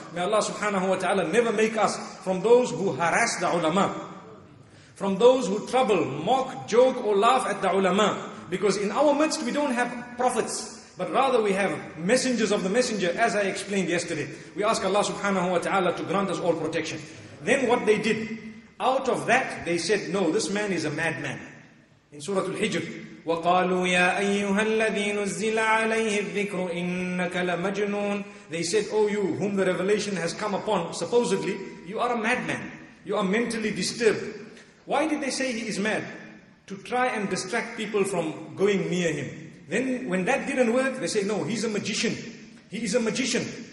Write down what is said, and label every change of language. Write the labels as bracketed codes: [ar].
[en] May Allah subhanahu wa ta'ala never make us from those who harass the ulama, from those who trouble, mock, joke or laugh at the ulama. Because in our midst we don't have prophets, but rather we have messengers of the messenger, as I explained yesterday. We ask Allah subhanahu wa ta'ala to grant us all protection. Then what they did, out of that they said, "No, this man is a madman." In Surah Al-Hijr, [ar] وَقَالُوا يَا أَيُّهَا الَّذِي نُزِّلَ عَلَيْهِ الذِّكْرُ إِنَّكَ لَمَجْنُونَ. [en] They said, "Oh you whom the revelation has come upon, supposedly, you are a madman. You are mentally disturbed." Why did they say he is mad? To try and distract people from going near him. Then when that didn't work, they say, "No, he's a magician. He is a magician."